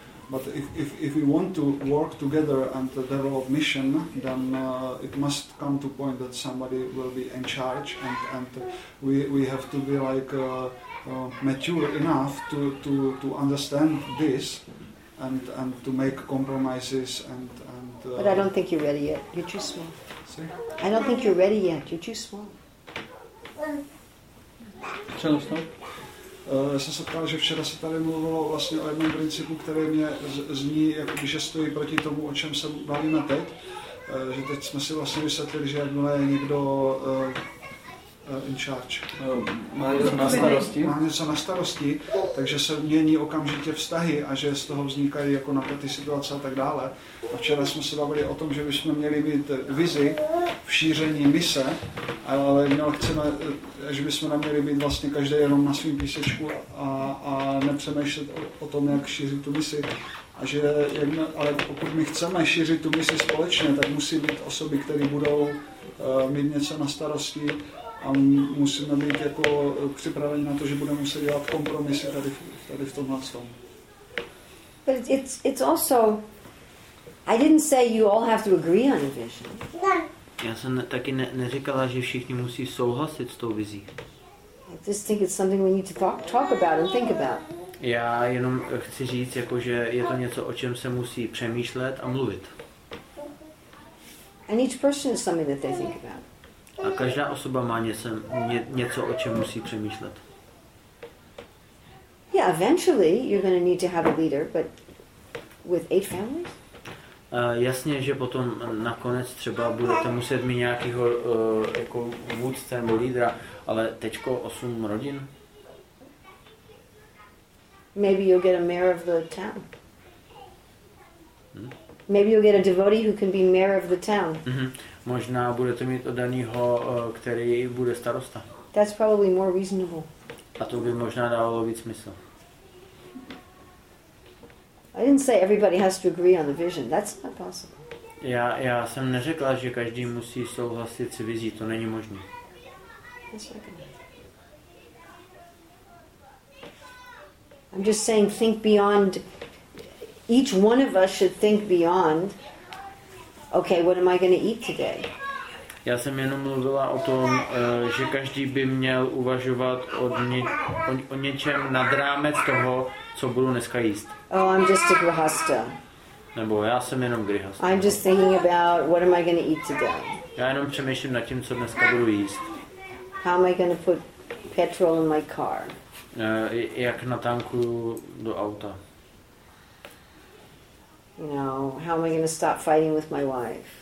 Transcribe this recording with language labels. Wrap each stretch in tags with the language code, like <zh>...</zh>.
<en>But if we want to work together and develop mission, then it must come to point that somebody will be in charge, and we have to be like mature enough to understand this, and to make compromises and. But I don't think you're ready yet. You're too small. See? I don't think you're ready yet. You're too small.</en> <cs>Čeho z toho? Jsem se ptal, že včera se tady mluvilo vlastně o jednom principu, který mě zní, jako že stojí proti tomu, o čem se bavíme teď. Že teď jsme si vlastně vysvětlili, že jedno je někdo</cs> <en>in charge.</en> <cs>Má něco na starosti. Má něco na starosti, takže se mění okamžitě vztahy a že z toho vznikají jako napětý situace a tak dále. A včera jsme se bavili o tom, že bychom měli mít vizi v šíření mise, ale měl chceme, že bychom neměli být vlastně každý jenom na svým písečku a nepřemýšlet o tom, jak šířit tu misi. A že jedno, ale pokud my chceme šířit tu misi společně, tak musí být osoby, které budou mít něco na starosti a musíme být jako připraveni na to, že budeme muset dělat kompromisy tady v tomhle tom.</cs> <en>But it's also, I didn't say you all have to agree on a vision.</en> <cs>Já jsem taky neříkala, že všichni musí souhlasit s tou vizí.</cs> <en>I just think it's something we need to talk about and think about.</en> <cs>Já jenom chci říct, jako, že je to něco, o čem se musí přemýšlet a mluvit.</cs> <en>And each person is something that they think about.</en> <cs>A každá osoba má něco, o čem musí přemýšlet.</cs> <en>Yeah, eventually you're going to need to have a leader, but with 8 families?</en> <cs>Jasně, že potom nakonec třeba budete muset mít nějakého jako vůdce nebo lídra, ale teďko 8 rodin?</cs> <en>Maybe you'll get a mayor of the town. Maybe you'll get a devotee who can be mayor of the town. Mm-hmm.</en> <cs>Možná budete mít oddanýho, který bude starosta.</cs> <en>That's probably more reasonable.</en> <cs>A to by možná dávalo víc smysl.</cs> <en>I didn't say everybody has to agree on the vision. That's not possible.</en> <cs>Já jsem neřekla, že každý musí souhlasit s vizí. To není možné.</cs> <en>I'm just saying think beyond. Each one of us should think beyond. Okay, what am I going to eat today?</en> <cs>Já jsem jenom mluvila o tom, že každý by měl uvažovat o něčem nad rámec toho, co budu dneska jíst.</cs> <en>Oh, I'm just a grihasta.</en> <cs>Nebo já jsem jenom grihasta.</cs> <en>I'm just thinking about what am I going to eat today.</en> <cs>Já jenom přemýšlím nad tím, co dneska budu jíst.</cs> <en>How am I going to put petrol in my car?</en> <cs>Jak natankuju do auta.</cs> <en>No, how am I going to stop fighting with my wife?</en>